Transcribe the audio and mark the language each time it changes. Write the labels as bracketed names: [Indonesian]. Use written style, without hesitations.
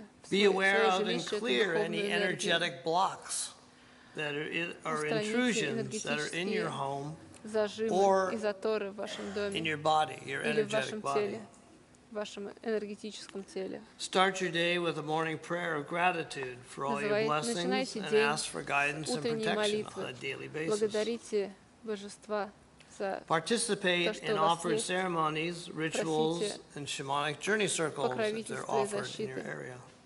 [English] Be aware of and clear any energetic blocks that are intrusions that are in your home or in your body, your energetic body. [Russian] В вашем энергетическом теле. [English] Start your day with a morning prayer of gratitude for all your blessings and ask for guidance and protection on a daily basis. [Russian] Благодарите божества за [English] Participate in offered ceremonies, rituals, and shamanic journey circles if they're offered in your area.